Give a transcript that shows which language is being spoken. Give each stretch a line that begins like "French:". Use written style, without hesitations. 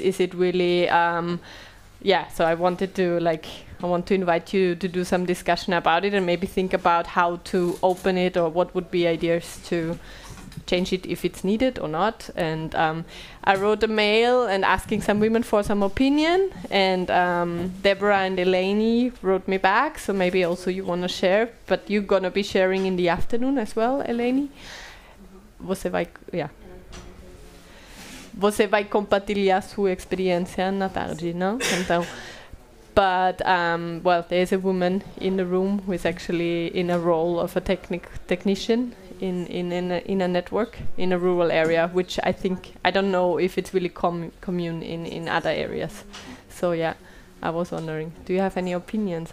English: Is it really so I want to invite you to do some discussion about it and maybe think about how to open it or what would be ideas to change it if it's needed or not. And I wrote a mail and asking some women for some opinion, and Deborah and Eleni wrote me back, so maybe also you want to share, but you're gonna be sharing in the afternoon as well, Eleni. Mm-hmm.
Portuguese: Você vai compartilhar sua experiência na tarde, no?
English: Então, but well, there's a woman in the room who is actually in a role of a technician in a network in a rural area, which I think, I don't know if it's really commune in other areas. So yeah, I was wondering, do you have any opinions?